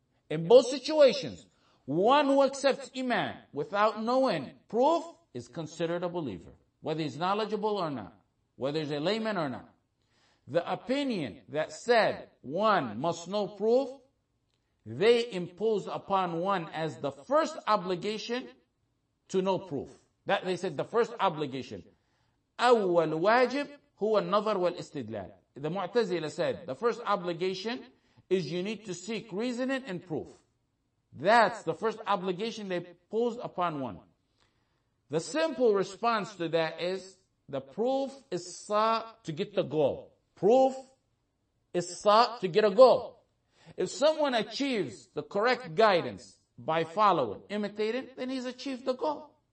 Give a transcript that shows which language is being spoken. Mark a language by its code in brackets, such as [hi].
[en] In both situations, one who accepts iman without knowing proof is considered a believer, whether he's knowledgeable or not, whether he's a layman or not. The opinion that said one must know proof, they impose upon one as the first obligation to know proof. That they said the first obligation. [ar] أول واجب هو النظر والاستدلال. [en] The Mu'tazila said the first obligation is you need to seek reasoning and proof. That's the first obligation they pose upon one. The simple response to that is the proof is sought to get the goal. Proof is sought to get a goal. If someone achieves the correct guidance by following, imitating, then he's achieved the goal.